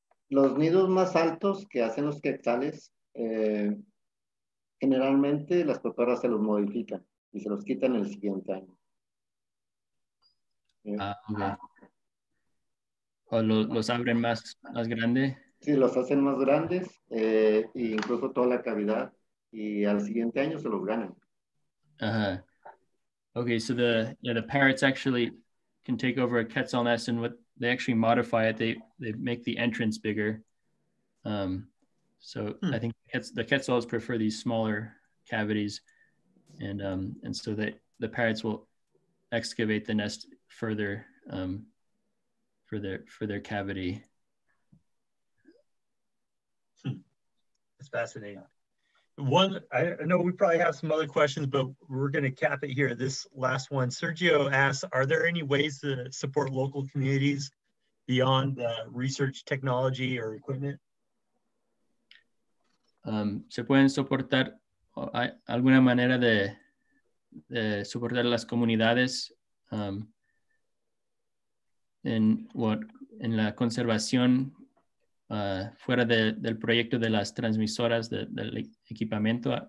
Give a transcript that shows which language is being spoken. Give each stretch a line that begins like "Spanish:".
Spanish: Los nidos más altos que hacen los quetzales, generalmente las cotorras se los modifican y se los quitan el siguiente año. Okay. ¿O los abren más grande? Sí, los hacen más grandes e incluso toda la cavidad y al siguiente año se los ganan. Uh-huh.
English: Okay, so the parrots actually can take over a quetzal nest and what they actually modify it. They make the entrance bigger. I think the quetzals prefer these smaller cavities, and so that the parrots will excavate the nest further for their cavity. That's fascinating. One, I know we probably have some other questions, but we're going to cap it here. This last one, Sergio asks, are there any ways to support local communities beyond the research technology or equipment?
Spanish: ¿Se pueden soportar alguna manera de soportar las comunidades en la conservación fuera del proyecto de las transmisoras del equipamiento?